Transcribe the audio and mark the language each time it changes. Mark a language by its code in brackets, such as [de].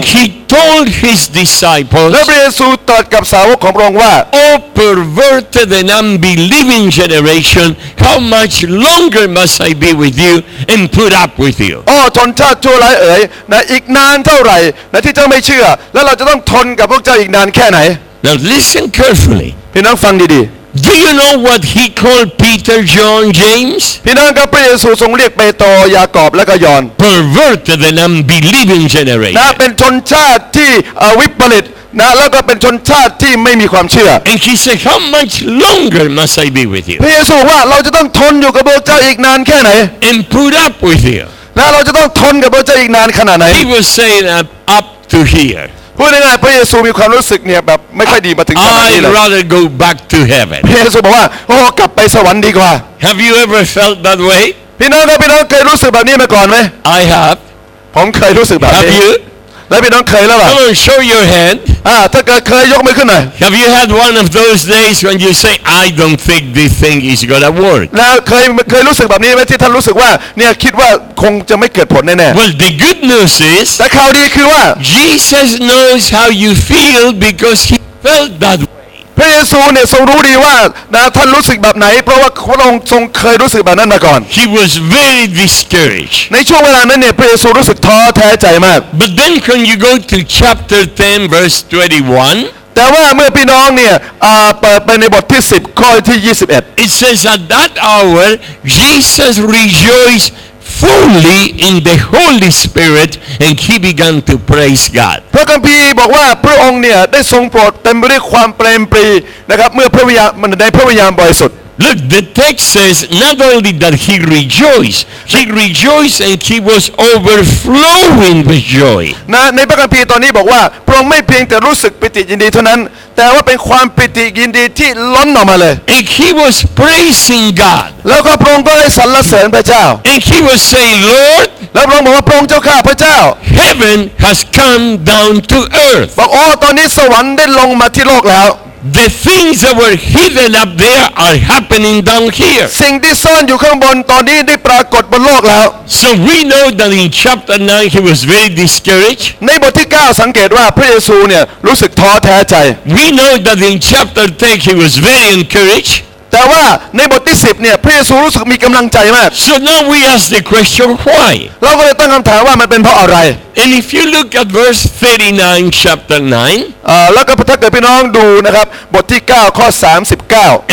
[en] And he told his disciples [th] และพระเยซูตรัสกับสาวกของพระองค์ว่า [en] Oh perverted and unbelieving generation how much longer must I be with you and put up with you [th] อ๋อทนทาทั่วไรเอ๋ยนะอีกนานเท่าไหร่นะที่เจ้าไม่เชื่อแล้วเราจะต้องทนกับพวกเจ้าอีกนานแค่ไหน [en] Now listen carefully [th] พี่น้องฟังดีๆ [en] Do you know what he called Peter, John, James? [th] พี่น้องครับพระเยซูทรงเรียกเปโตรยากอบและก็ยอห์น [en] Perverted and unbelieving generation. [th] นะเป็นชนชาติที่วิปริตนะแล้วก็เป็นชนชาติที่ไม่มีความเชื่อ [en] And he said, How much longer must I be with you? [th] พระเยซูว่าเราจะต้องทนอยู่กับพระเจ้าอีกนานแค่ไหน [en] And put up with you. [th] นะเราจะต้องทนกับพระเจ้าอีกนานขนาดไหน [en] He was saying up to here. [th] พูดง่ายๆพระเยซูมีความรู้สึกเนี่ยแบบไม่ค่อยดีมาถึงขนาดนี้เลย [en] I'd rather go back to heaven [th] พระเยซูบอกว่าโอ้กลับไปสวรรค์ดีกว่า [en] Have you ever felt that way [th] พี่น้องครับพี่น้องเคยรู้สึกแบบนี้มาก่อนไหม [en] I have [th] ผมเคยรู้สึกแบบนี้ [en] Have you [th] แล้วพี่น้องเคยแล้วล่ะ [en] Come on show your hand [th] ถ้าเกิดเคยยกมือขึ้นหน่อย [en] Have you had one of those days when you say I don't think this thing is gonna work [th] แล้วเคยรู้สึกแบบนี้ไหมที่ท่านรู้สึกว่าเนี่ยคิดว่าคงจะไม่เกิดผลแน่ [en] ๆ Well the good news is [th] แต่ข่าวดีคือว่า [en] Jesus knows how you feel because he felt that way [th] พระเยซูเนี่ยทรงรู้ดีว่านะท่านรู้สึกแบบไหนเพราะว่าพระองค์ทรงเคยรู้สึกแบบนั้นมาก่อน [en] He was very discouraged [th] ในช่วงเวลานั้นเนี่ยพระเยซูรู้สึกท้อแท้ใจมาก [en] But then when you go to chapter 10 verse 21 [th] แต่ว่าเมื่อพี่น้องเนี่ยเปิดไปในบทที่10ข้อที่21 [en] It says at that hour Jesus rejoicedfully in the holy spirit and he began to praise god [th] พระคัมภีร์บอกว่าพระองค์เนี่ยได้ทรงโปรดเต็มไปด้วยความเปรมปรีนะครับเมื่อพระวิญญาณในพระวิญญาณบริสุทธิ์ [en] Look the text says not only that he rejoiced and he was overflowing with joy [th] นะในพระคัมภีร์ตอนนี้บอกว่าพระองค์ไม่เพียงแต่รู้สึกปิติยินดีเท่านั้นแต่ว่าเป็นความปิติยินดีที่ล้นออกมาเลย [en] And he was praising God [th] แล้วก็พระองค์ก็ได้สรรเสริญพระเจ้า [en] And he was saying Lord [th] แล้วพระองค์บอกว่าพระองค์เจ้าข้าพระเจ้า [en] Heaven has come down to earth [th] บอกโอ้ตอนนี้สวรรค์ได้ลงมาที่โลกแล้ว [en] The things that were hidden up there are happening down here [th] สิ่งที่ซ่อนอยู่ข้างบนตอนนี้ได้ปรากฏบนโลกแล้ว [en] So we know that in chapter 9 he was very discouraged [th] ในบทที่9สังเกตว่าพระเยซูเนี่ยรู้สึกท้อแท้ใจ [en] We know that in chapter 10 he was very encouraged [th] แต่ว่าในบทที่10เนี่ยพระเยซูรู้สึกมีกำลังใจมาก [en] So now we ask the question why [th] เราก็เลยตั้งคำถามว่ามันเป็นเพราะอะไร [en] And if you look at verse 39, chapter 9, [th] แล้วก็ถ้าเกิดพี่น้องดูนะครับบทที่9ข้อ39